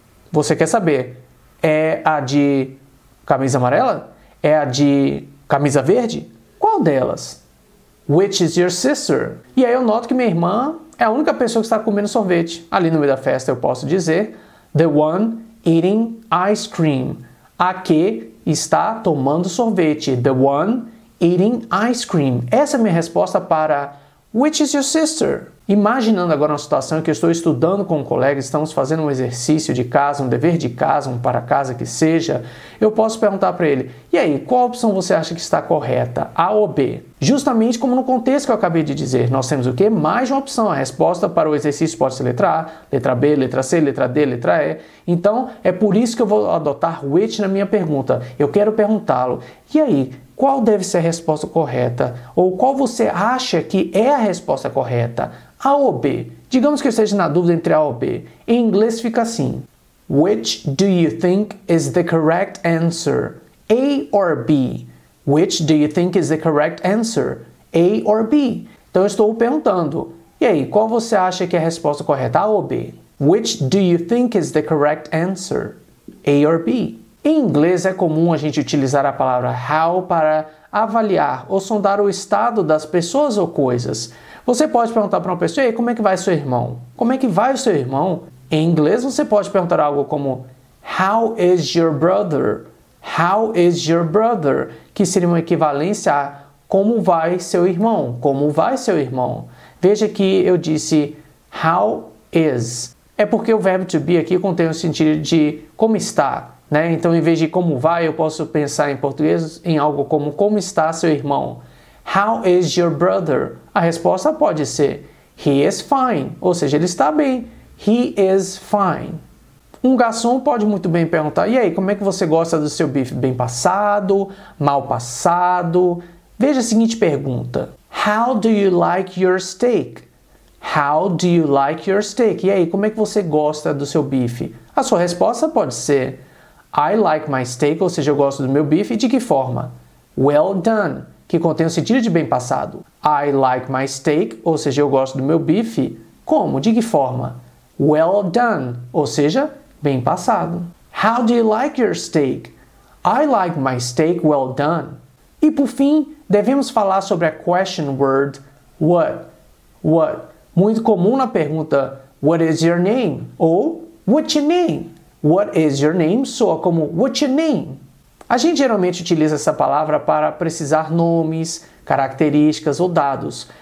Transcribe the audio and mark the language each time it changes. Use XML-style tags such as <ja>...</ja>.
<pt>Você quer saber, é a de camisa amarela? É a de camisa verde? Qual delas?</pt> <en>Which is your sister?</en> <pt>E aí eu noto que minha irmã é a única pessoa que está comendo sorvete. Ali no meio da festa eu posso dizer</pt> <en>the one eating ice cream.</en> <pt>A que está tomando sorvete.</pt> <en>The one eating ice cream.</en> <pt>Essa é a minha resposta para</pt> <en>which is your sister?</en> <pt>Imaginando agora uma situação em que eu estou estudando com um colega, estamos fazendo um exercício de casa, um dever de casa, um para casa que seja, eu posso perguntar para ele, e aí, qual opção você acha que está correta? A ou B? Justamente como no contexto que eu acabei de dizer, nós temos o quê? Mais de uma opção. A resposta para o exercício pode ser letra A, letra B, letra C, letra D, letra E. Então, é por isso que eu vou adotar which na minha pergunta. Eu quero perguntá-lo, e aí, qual deve ser a resposta correta? Ou qual você acha que é a resposta correta? A ou B? Digamos que eu esteja na dúvida entre A ou B. Em inglês fica assim.</pt> <en>Which do you think is the correct answer? A or B? Which do you think is the correct answer? A or B?</en> <pt>Então eu estou perguntando. E aí, qual você acha que é a resposta correta? A ou B?</pt> <en>Which do you think is the correct answer? A or B?</en> <pt>Em inglês é comum a gente utilizar a palavra how para avaliar ou sondar o estado das pessoas ou coisas. Você pode perguntar para uma pessoa, e aí, como é que vai seu irmão? Como é que vai o seu irmão? Em inglês você pode perguntar algo como</pt> <en>how is your brother? How is your brother?</en> <pt>Que seria uma equivalência a como vai seu irmão? Como vai seu irmão? Veja que eu disse</pt> <en>how is.</en> <pt>É porque o verbo to be aqui contém o sentido de como está, né? Então, em vez de como vai, eu posso pensar em português em algo como está seu irmão?</pt> <en>How is your brother?</en> <pt>A resposta pode ser</pt> <en>he is fine,</en> <pt>ou seja, ele está bem.</pt> <en>He is fine.</en> <pt>Um garçom pode muito bem perguntar, e aí, como é que você gosta do seu bife? Bem passado? Mal passado? Veja a seguinte pergunta.</pt> <en>How do you like your steak? How do you like your steak?</en> <pt>E aí, como é que você gosta do seu bife? A sua resposta pode ser</pt> <en>I like my steak,</en> <pt>ou seja, eu gosto do meu bife. De que forma?</pt> <en>Well done,</en> <pt>que contém o sentido de bem passado.</pt> <en>I like my steak,</en> <pt>ou seja, eu gosto do meu bife. Como? De que forma?</pt> <en>Well done,</en> <pt>ou seja, bem passado.</pt> <en>How do you like your steak? I like my steak well done.</en> <pt>E por fim, devemos falar sobre a question word what.</pt> <en>What?</en> <pt>Muito comum na pergunta</pt> <en>what is your name? Ou what's your name? What is your name?</en> <pt>Soa como</pt> <en>what's your name?</en> <pt>A gente geralmente utiliza essa palavra para precisar nomes, características ou dados.</pt>